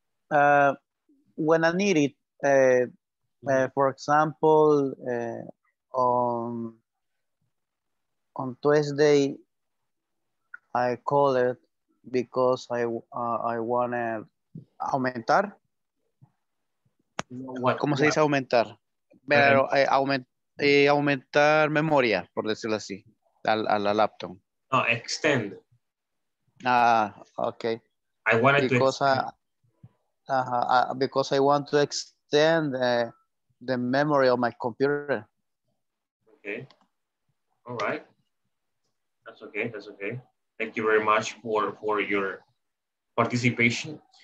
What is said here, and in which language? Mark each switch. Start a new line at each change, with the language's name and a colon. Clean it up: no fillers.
English: When I need it, for example, on Tuesday, I call it because I want to aumentar.
Spanish: ¿Cómo se dice aumentar? Pero aumentar memoria, por decirlo así, a la laptop.
English: No, extend. Ah, okay. I wanted because I want to extend the memory of my computer. Okay. All right. That's okay. Thank you very much for your participation.